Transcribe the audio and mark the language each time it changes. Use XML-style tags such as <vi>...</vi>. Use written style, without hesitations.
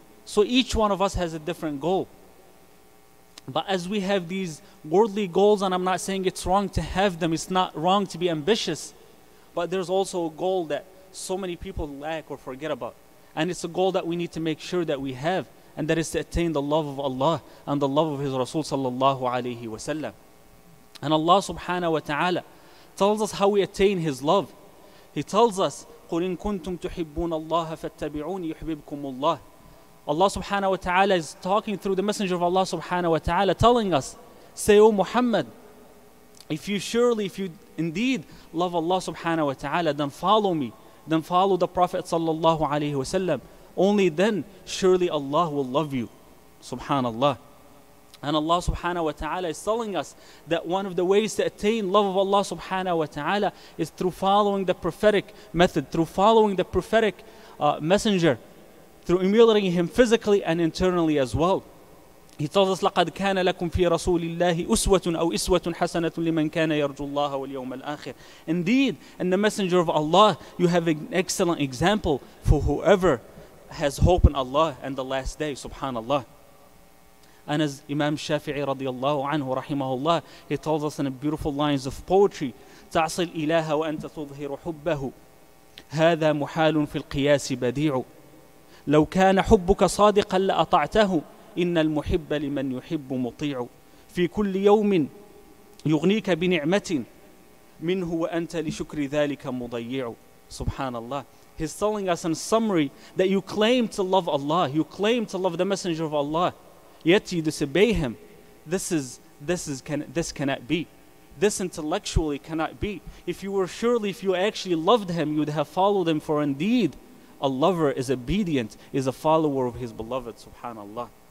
<en>So each one of us has a different goal. But as we have these worldly goals, and I'm not saying it's wrong to have them, it's not wrong to be ambitious, but there's also a goal that so many people lack or forget about. And it's a goal that we need to make sure that we have, and that is to attain the love of Allah and the love of His Rasul sallallahu alayhi wa sallam. And Allah subhanahu wa ta'ala tells us how we attain His love. He tells us,</en> <ar>قُلْ إِن كُنْتُمْ تُحِبُّونَ اللَّهَ فَاتَّبِعُونِ يُحْبِبْكُمُ اللَّهِ.</ar> <en>Allah subhanahu wa ta'ala is talking through the Messenger of Allah subhanahu wa ta'ala, telling us, say, O Muhammad, if you indeed love Allah subhanahu wa ta'ala, then follow me, then follow the Prophet sallallahu alayhi wa sallam. Only then, surely Allah will love you. Subhanallah. And Allah subhanahu wa ta'ala is telling us that one of the ways to attain love of Allah subhanahu wa ta'ala is through following the prophetic method, through following the prophetic messenger, through emulating him physically and internally as well. He tells us,</en> <ar>لَقَدْ كَانَ لَكُمْ فِي رَسُولِ اللَّهِ أُسْوَةٌ أَوْ إِسْوَةٌ حَسَنَةٌ لِمَنْ كَانَ يَرْجُ اللَّهَ وَالْيَوْمَ الْآخِرِ.</ar> <en>Indeed, in the Messenger of Allah, you have an excellent example for whoever has hope in Allah and the last day. Subhanallah. And as Imam Shafi'i radiyallahu anhu rahimahullah, he tells us in a beautiful lines of poetry,</en> <ar>تَعْصِ الْإِلَهَ وَأَنْتَ تُظْهِرُ حُبَّهُ هَذَا مُحَالٌ فِي الْقِيَاسِ بَدِيعُ لَوْ كَانَ حُبُّكَ صَادِقًا لَأَطَعْتَهُ إِنَّ الْمُحِبَّ لِمَنْ يُحِبُّ مُطِيعُ فِي كُلِّ يَوْمٍ يُغْنِيكَ بِنِعْمَةٍ مِنْهُ وَأَنْتَ لِشُكْرِ ذَلِكَ مُضَيِّعُ.</ar> <en>Subhanallah. He's telling us in summary that you claim to love Allah, you claim to love the Messenger of Allah, yet you disobey him. This cannot be. This intellectually cannot be. If you actually loved him, you would have followed him, for indeed a lover is obedient, is a follower of his beloved, subhanallah.</en>